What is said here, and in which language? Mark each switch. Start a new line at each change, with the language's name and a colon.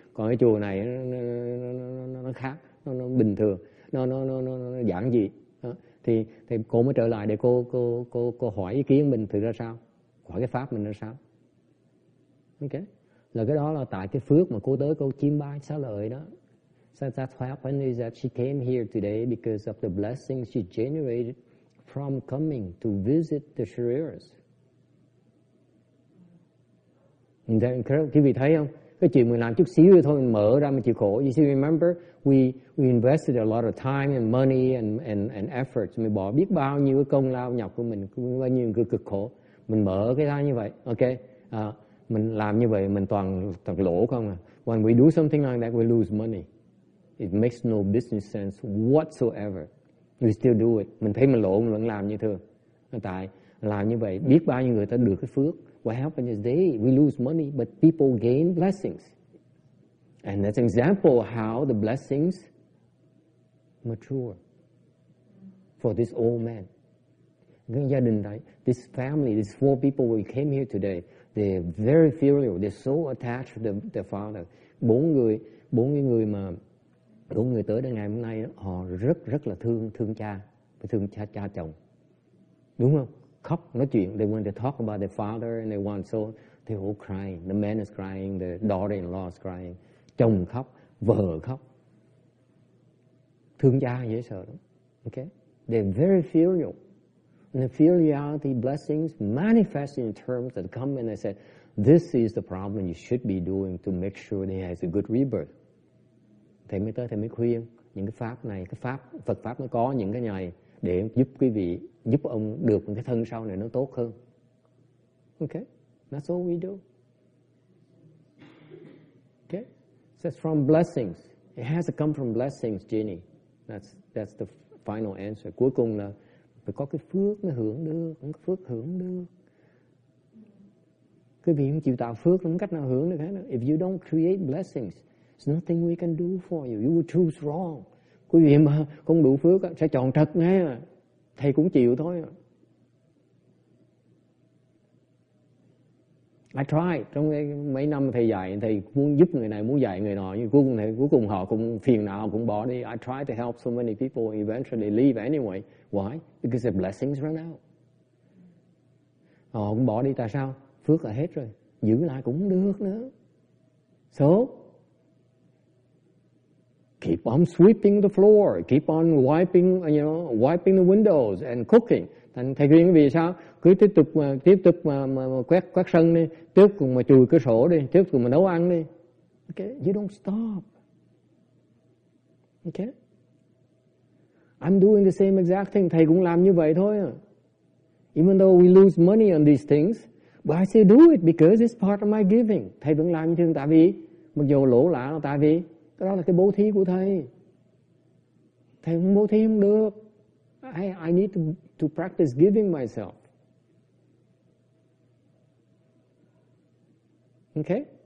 Vietnamese: Còn cái chùa này nó khác, nó bình thường, nó giản dị. Thì cô mới trở lại để cô hỏi ý kiến mình thử ra sao, hỏi cái pháp mình ra sao. Ok, là cái đó là tại cái phước mà cô tới cô chiêm bái xá lợi đó.
English: So that's what happened is that she came here today because of the blessing she generated from coming to visit the Shriras.
Vietnamese: Quý vị thấy không? Cái chuyện mình làm chút xíu thôi mình mở ra mình chịu khổ.
English: You see, remember, we invested a lot of time and money and effort.
Vietnamese: Mình bỏ biết bao nhiêu cái công lao nhọc của mình, bao nhiêu cái cực khổ. Mình mở cái ra như vậy, ok? Mình làm như vậy mình toàn lỗ không à?
English: When we do something like that, we lose money. It makes no business sense whatsoever. We still do it.
Vietnamese: Mình thấy mình lỗ, mình vẫn làm như thường. Tại làm như vậy, biết bao nhiêu người ta được cái phước.
English: What happens is they, we lose money, but people gain blessings. And that's an example how the blessings mature for this old man.
Vietnamese: Gia đình này,
English: this family, these four people who came here today, they're very filial, they're so attached to their father.
Vietnamese: Bốn người tới đến ngày hôm nay, họ rất rất là thương cha, thương cha chồng. Đúng không? Khóc, nói chuyện,
English: they want to talk about their father and they want so, they're all crying. The man is crying, the daughter-in-law is crying.
Vietnamese: Chồng khóc, vợ khóc. Thương cha dễ sợ lắm. Okay?
English: They're very filial. And the filiality blessings manifest in terms that come and they say, this is the problem you should be doing to make sure that he has a good rebirth.
Vietnamese: Thầy mới tới, thầy mới khuyên những cái pháp này, cái pháp, Phật pháp nó có những cái này để giúp quý vị, giúp ông được cái thân sau này nó tốt hơn.
English: Okay, that's all we do. Okay, so it's from blessings. It has to come from blessings, Jenny. That's the final answer.
Vietnamese: Cuối cùng là phải có cái phước mới hưởng được, không có phước hưởng được. Quý vị không chịu tạo phước, không có cách nào hưởng được hết.
English: If you don't create blessings, there's nothing we can do for you. You will choose wrong.
Vietnamese: Quý vị mà không đủ phước sẽ chọn trật ngay à. Thầy cũng chịu thôi à.
English: I tried.
Vietnamese: Trong mấy năm thầy dạy, thầy muốn giúp người này, muốn dạy người nọ. Nhưng cuối cùng họ cũng phiền não, cũng bỏ đi.
English: I tried to help so many people, eventually leave anyway. Why? Because the blessings run out.
Vietnamese: Họ cũng bỏ đi. Tại sao? Phước là hết rồi. Giữ lại cũng được nữa.
English: So keep on sweeping the floor, keep on wiping, you know, wiping the windows and cooking.
Vietnamese: Thầy khuyên vì sao? Cứ tiếp tục mà quét sân đi, tiếp tục mà chùi cửa sổ đi, tiếp tục mà nấu ăn đi.
English: Okay, you don't stop. Okay, I'm doing the same exact thing.
Vietnamese: Thầy cũng làm như vậy thôi.
English: Even though we lose money on these things, but I still do it because it's part of my giving.
Vietnamese: Thầy vẫn làm như thế, tại vì mặc dù lỗ lã là tại vì đó là cái bố thí của thầy. Thầy không bố thí không được.
English: I need to practice giving myself. Okay?